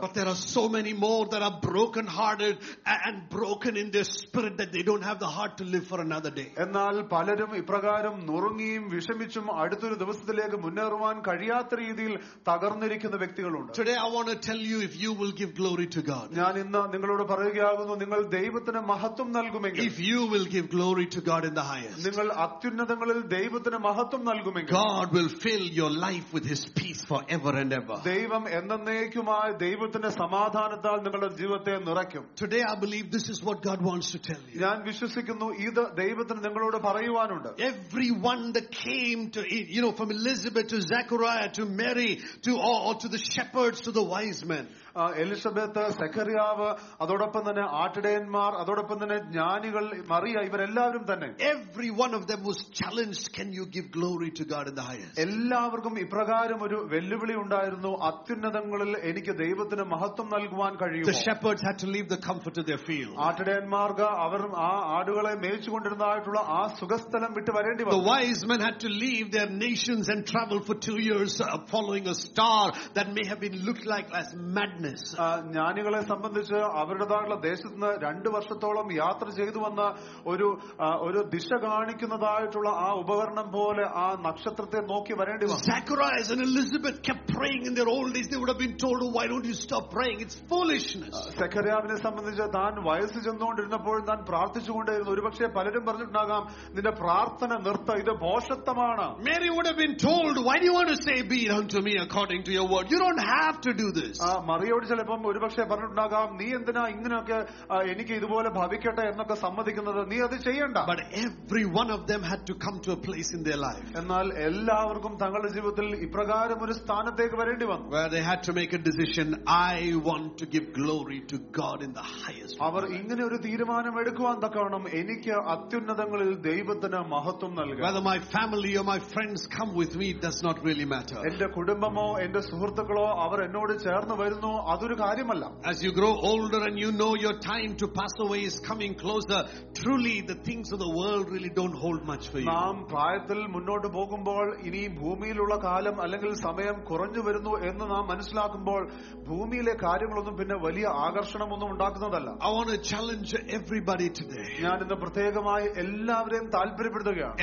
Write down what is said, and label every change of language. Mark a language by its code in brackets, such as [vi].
[en] But there are so many more that are broken hearted and broken in their spirit that they don't have the heart to live for another day. [ml] എന്നാൽ പലരും ഇപ്രകാരം നുറുങ്ങിയും വിഷമിച്ചും അടുത്തൊരു ദിവസത്തിലേക്ക് മുന്നേറുവാൻ കഴിയാത്ത രീതിയിൽ തകർന്നിരിക്കുന്ന വ്യക്തികളുണ്ട്. [en] Today I want to tell you, if you will give glory to God, [ml] ഞാൻ ഇന്ന് നിങ്ങളോട് പറയുകയാകുന്നു, നിങ്ങൾ ദൈവത്തിന് മഹത്വം നൽകുമെങ്കിൽ, [en] if you will give glory to God in the highest, [ml] നിങ്ങൾ അത്യുന്നതങ്ങളിൽ ദൈവത്തിന് മഹത്വം നൽകുമെങ്കിൽ, [en] God will fill your life with his peace forever and ever. [ml] ദൈവം എന്നേക്കുമായി ദൈവത്തിന്റെ സമാധാനത്താൽ നിങ്ങളുടെ ജീവിതത്തെ നിറയ്ക്കും. [en] Today I believe this is what God wants to tell you. [ml] ഞാൻ വിശ്വസിക്കുന്നു ഇത് ദൈവത്തിന് നിങ്ങളോട് പറയുവാനുണ്ട്. [en] Everyone that came to, you know, from Elizabeth to Zechariah to Mary to the shepherds to the wise men, [ml] Elizabeth, സെക്കറിയാവ്, അതോടൊപ്പം തന്നെ ആട്ടിടയന്മാർ, അതോടൊപ്പം തന്നെ ജ്ഞാനികൾ, മറിയ, ഇവരെല്ലാവരും തന്നെ, [en] Every one of them was challenged, can you give glory to God in the highest. [ml] എല്ലാവർക്കും ഇപ്രകാരം ഒരു വെല്ലുവിളി ഉണ്ടായിരുന്നു, അത്യുന്നതങ്ങളിൽ എനിക്ക് ദൈവത്തിന് മഹത്വം നൽകുവാൻ കഴിയുമോ. [en] The shepherds had to leave the comfort of their field. [ml] ആട്ടിടയന്മാർ അവർ ആ ആടുകളെ മേയിച്ചുകൊണ്ടിരുന്നതായിട്ടുള്ള ആ സുഖസ്ഥലം വിട്ടു വരേണ്ടി വന്നു. [en] The wise men had to leave their nations and travel for 2 years following a star that may have been looked like as madness. [ml] ജ്ഞാനികളെ സംബന്ധിച്ച് അവരുടേതായുള്ള ദേശത്ത് നിന്ന് 2 വർഷത്തോളം യാത്ര ചെയ്തു വന്ന ഒരു ദിശ കാണിക്കുന്നതായിട്ടുള്ള ആ ഉപകരണം പോലെ ആ നക്ഷത്രത്തെ നോക്കി വരേണ്ടി വന്നു. [en] Zacharias and Elizabeth kept praying in their old age. They would have been told, why don't you stop praying, it's foolishness. [ml] സെക്കറിയാവിനെ സംബന്ധിച്ച് താൻ വയസ്സ് ചെന്നുകൊണ്ടിരുന്നപ്പോൾ താൻ പ്രാർത്ഥിച്ചുകൊണ്ടിരുന്നു, ഒരുപക്ഷെ പലരും പറഞ്ഞിട്ടുണ്ടാകാം നിന്റെ പ്രാർത്ഥന നിർത്ത, ഇത് ഭോഷത്വമാണ്. [en] Mary would have been told, why do you want to say be unto me according to your word, you don't have to do this. [ml] മറിയോട് ചിലപ്പം ഒരുപക്ഷെ പറഞ്ഞിട്ടുണ്ടാകാം, നീ എന്തിനാ ഇങ്ങനെയൊക്കെ എനിക്ക് ഇതുപോലെ ഭവിക്കട്ടെ എന്നൊക്കെ സമ്മതിക്കുന്നത്, നീ അത് ചെയ്യണ്ട. [en] But every one of them had to come to a place in their life. [ml] എന്നാൽ എല്ലാവർക്കും തങ്ങളുടെ ജീവിതത്തിൽ ഇപ്രകാരം ഒരു സ്ഥാനത്തേക്ക് വരേണ്ടി വന്നു. [en] Where they had to make a decision, I want to give glory to God in the highest. [ml] അവർ ഇങ്ങനെ ഒരു തീരുമാനം എടുക്കുവാൻ തക്കവണ്ണം എനിക്ക് അത്യുന്നതങ്ങളിൽ ദൈവത്തിന് മഹത്വം നൽകണം. [en] Whether my family or my friends come with me, it does not really matter. [ml] എന്റെ കുടുംബമോ എന്റെ സുഹൃത്തുക്കളോ അവർ എന്നോട് ചേർന്ന് വരുന്നു അതൊരു കാര്യമല്ല. [en] As you grow older and you know your time to pass away is coming closer, truly the things of the world really don't hold much for you. [ml] നാം പ്രായത്തിൽ മുന്നോട്ട് പോകുമ്പോൾ ഇനി ഭൂമിയിലുള്ള കാലം അല്ലെങ്കിൽ സമയം കുറഞ്ഞു വരുന്നു എന്ന് നാം മനസ്സിലാക്കുമ്പോൾ ഭൂമിയിലെ കാര്യങ്ങളൊന്നും പിന്നെ വലിയ ആകർഷണമൊന്നും ഉണ്ടാക്കുന്നതല്ല. [en] I want to challenge everybody today. [ml] ഞാൻ ഇന്ന് പ്രത്യേകമായി എല്ലാവരെയും താൽപര്യപ്പെടുത്തുകയാണ്.